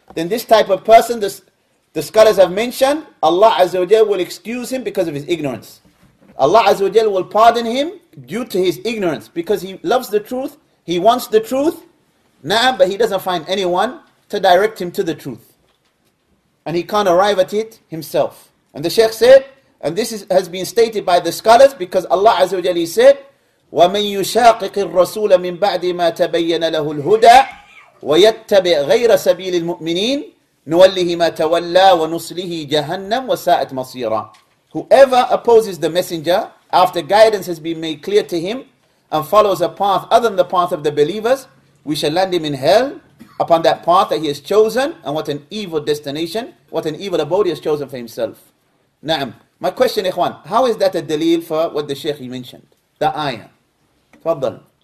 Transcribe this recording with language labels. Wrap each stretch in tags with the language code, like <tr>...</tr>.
<en>Then this type of person, the scholars have mentioned, Allah Azza wa Jalla will excuse him because of his ignorance. Allah Azza wa Jalla will pardon him due to his ignorance, because he loves the truth, he wants the truth, na'am, but he doesn't find anyone to direct him to the truth. And he can't arrive at it himself. And the Shaykh said, and this has been stated by the scholars, because Allah Azza wa Jalla, he said,</en> <ar>وَمَنْ يُشَاقِقِ الرَّسُولَ مِنْ بَعْدِ مَا تَبَيَّنَ لَهُ الْهُدَى وَيَتَّبِعْ غَيْرَ سَبِيلِ الْمُؤْمِنِينَ نُوَلِّهِ مَا تَوَلَّى وَنُصْلِهِ جَهَنَّمْ وَسَاءَتْ مَصِيرًا.</ar> <en>Whoever opposes the messenger after guidance has been made clear to him and follows a path other than the path of the believers, we shall land him in hell upon that path that he has chosen. And what an evil destination, what an evil abode he has chosen for himself. Na'am. My question, Ikhwan, how is that a dalil for what the Shaykh mentioned? The ayah. Tfaddal.</en>